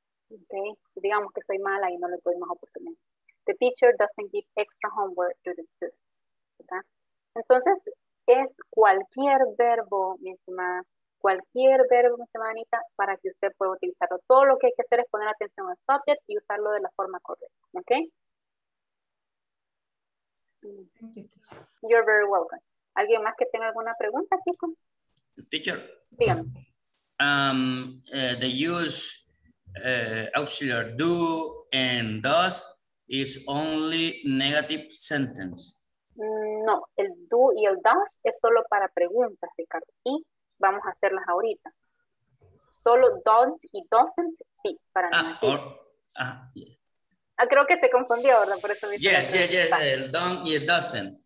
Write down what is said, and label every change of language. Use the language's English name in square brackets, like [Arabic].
[Spanish] Okay, digamos que soy mala y no le doy más oportunidades. [English] The teacher doesn't give extra homework to the students. [Spanish] ¿Verdad? Entonces, es cualquier verbo, mi estimada, cualquier verbo, mi estimada Anita, para que usted pueda utilizarlo. Todo lo que hay que hacer es poner atención al subject y usarlo de la forma correcta. ¿Ok? [English] You're very welcome. [Spanish] ¿Alguien más que tenga alguna pregunta, chico? [English] Teacher. [Spanish] Dígame. [English] They use auxiliary do and does is only negative sentence. [Spanish] No, el do y el does es solo para preguntas, Ricardo. Y vamos a hacerlas ahorita. Solo don't y doesn't, sí, para negativo. [English] Yeah. [Spanish] Creo que se confundió, ¿verdad? Por eso me yes, el don't y el doesn't.